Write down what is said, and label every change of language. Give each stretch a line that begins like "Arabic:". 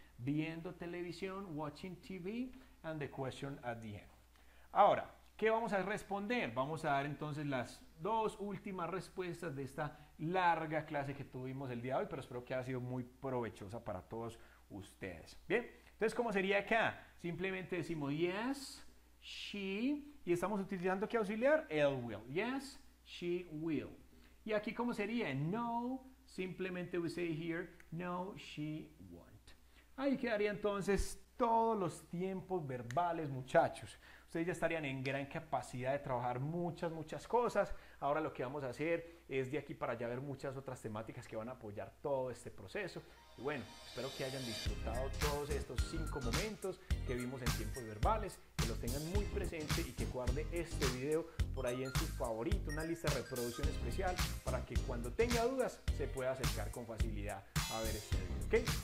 Spanish: Viendo televisión,
English: watching TV, and the question at the end.
Spanish: Ahora, ¿qué vamos a responder? Vamos a dar entonces las dos últimas respuestas de esta larga clase que tuvimos el día de hoy, pero espero que haya sido muy provechosa para todos ustedes. Bien. Entonces, ¿cómo sería acá? Simplemente decimos,
English: yes, she,
Spanish: y estamos utilizando ¿qué auxiliar? El will.
English: Yes, she will.
Spanish: Y aquí, ¿cómo sería?
English: No, simplemente we say here, no, she won't.
Spanish: Ahí quedaría entonces todos los tiempos verbales, muchachos. Ustedes ya estarían en gran capacidad de trabajar muchas, muchas cosas. Ahora lo que vamos a hacer es de aquí para allá ver muchas otras temáticas que van a apoyar todo este proceso. Y bueno, espero que hayan disfrutado todos estos 5 momentos que vimos en tiempos verbales, que lo tengan muy presente y que guarde este video por ahí en su favorito, una lista de reproducción especial para que cuando tenga dudas se pueda acercar con facilidad a ver este video. ¿Ok?